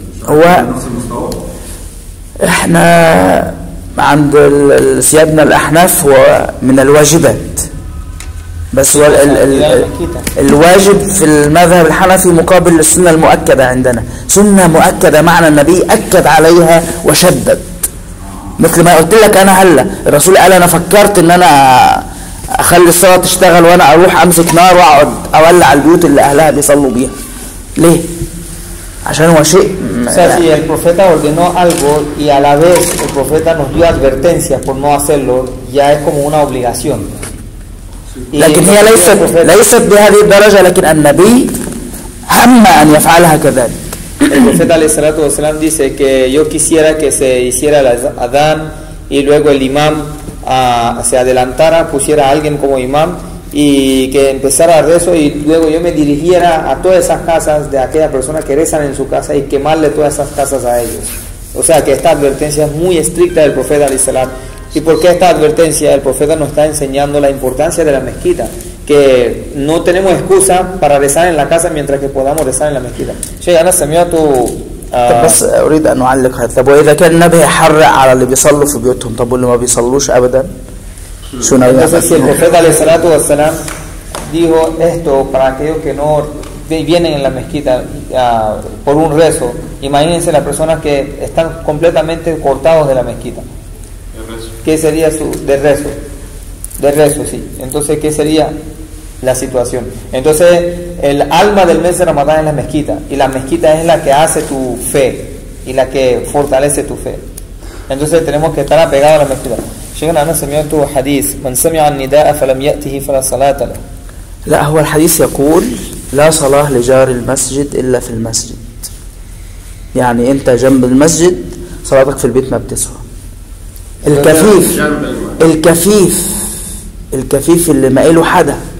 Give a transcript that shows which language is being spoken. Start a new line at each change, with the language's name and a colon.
Arabic: هو احنا عند سيادنا الاحناف هو من الواجبات، بس هو الواجب في المذهب الحنفي مقابل السنة المؤكدة. عندنا سنة مؤكدة، معنى النبي اكد عليها وشدد، مثل ما قلت لك انا هلا الرسول قال انا فكرت ان انا اخلي الصلاة تشتغل وانا اروح امسك نار واقعد اولع البيوت اللي اهلها بيصلوا بيها. ليه؟ عشان هو شيء.
Spanish: Si el profeta ordenó algo y a la vez el profeta nos dio advertencias por no hacerlo, ya es como una obligación.
Arabic: لكن هي ليست بهذه الدرجة، لكن النبي هم أن يفعلها كذلك.
Spanish: El profeta
Arabic: al-Salatu wasalam
Spanish: dice que yo quisiera que se hiciera el adán y luego el imam se adelantara, pusiera a alguien como imam y que empezara el rezo y luego yo me dirigiera a todas esas casas de aquella persona que rezan en su casa y quemarle todas esas casas a ellos. O sea que esta advertencia es muy estricta del profeta al-Salam. ¿Y por qué esta advertencia? El profeta nos está enseñando la importancia de la mezquita, que no tenemos excusa para rezar en la casa mientras que podamos rezar en la mezquita.
Arabic: Sheikh, ana samiatu بس اريد ان اعلق هذا. طب واذا كان النبي حر على اللي بيصلوا في بيوتهم، طب واللي ما بيصلوش ابدا شو نعمل؟
Spanish: si el profeta
Arabic: عليه الصلاه والسلام
Spanish: dijo esto para aquellos que no vienen en la mezquita por un rezo, imagínense las personas que están completamente cortados de la mezquita. ¿Qué sería su de rezo? De rezo, sí. Entonces, ¿qué sería la situación? Entonces, el alma del mes de Ramadán es la mezquita. Y la mezquita es la que hace tu fe. Y la que fortalece tu fe. Entonces, tenemos que estar apegados a la mezquita. Llegan a nuestro momento un hadith.
Arabic: من سمع النداء فلم يأته فلا صلاة له. لا, هو الحديث يقول لا صلاة لجار المسجد إلا في المسجد. يعني أنت جنب المسجد صلاتك في البيت ما بتسوى. الكفيف الكفيف الكفيف اللي ما إله حدا.